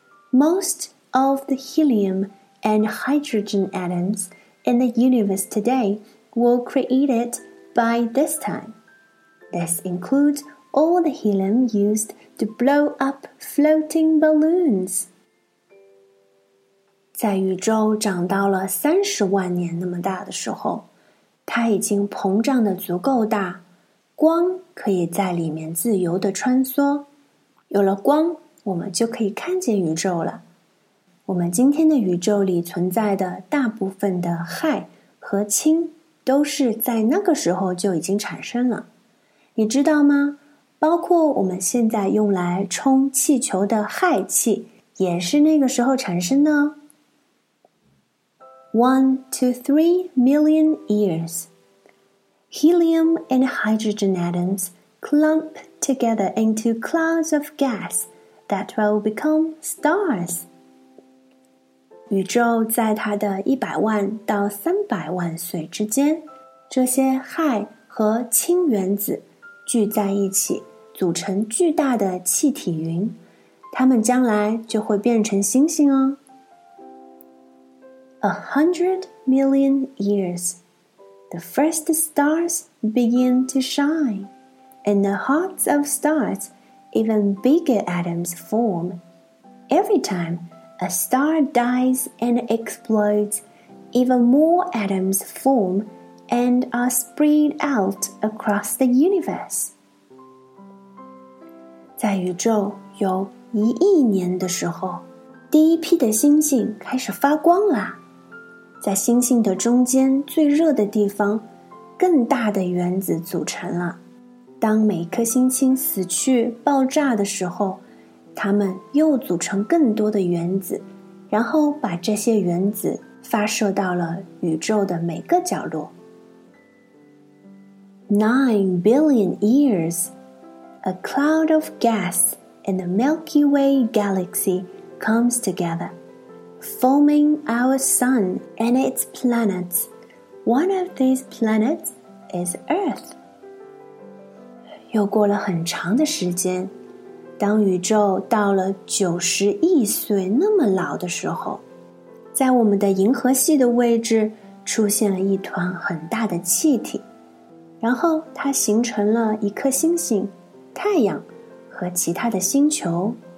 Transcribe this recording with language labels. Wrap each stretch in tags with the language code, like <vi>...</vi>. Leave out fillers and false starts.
<en>Most of the helium and hydrogen atoms in the universe today were created by this time. This includes all the helium used to blow up floating balloons.</en> <zh>在宇宙长到了300万年那么大的时候，它已经膨胀得足够大，光可以在里面自由地穿梭。有了光，我们就可以看见宇宙了。我们今天的宇宙里存在的大部分的氦和氢都是在那个时候就已经产生了。你知道吗？包括我们现在用来充气球的氦气也是那个时候产生的哦。</zh> <en>1 to 3 million years. Helium and hydrogen atoms clump together into clouds of gas that will become stars.</en> <zh>宇宙在它的100万到300万岁之间，这些氦和氢原子聚在一起，组成巨大的气体云，它们将来就会变成星星哦。</zh> <en>100 million years. The first stars begin to shine, and the hearts of stars, even bigger atoms, form. Every time a star dies and explodes, even more atoms form and are spread out across the universe.</en> <zh>在宇宙有1亿年的时候，第一批的星星开始发光了。在星星的中间最热的地方，更大的原子组成了。当每颗星星死去爆炸的时候，它们又组成更多的原子，然后把这些原子发射到了宇宙的每个角落。</zh> <en>9 billion years. A cloud of gas and the Milky Way galaxy comes together, forming our sun and its planets. One of these planets is Earth.</en> <zh>又过了很长的时间，当宇宙到了90亿岁那么老的时候，在我们的银河系的位置出现了一团很大的气体，然后它形成了一颗星星、太阳和其他的星球。</zh>